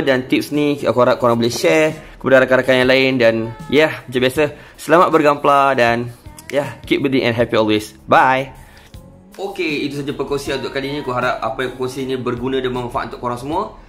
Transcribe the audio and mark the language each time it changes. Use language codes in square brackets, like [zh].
[ms] Dan tips ni aku harap korang boleh share kepada rakan-rakan yang lain. Dan yeah, macam biasa, selamat bergampla. [en] Dan yeah, keep building and happy always. Bye. [ms] Okay, itu saja perkongsian untuk kali ini. Aku harap apa yang perkongsian ini berguna dan bermanfaat untuk korang semua.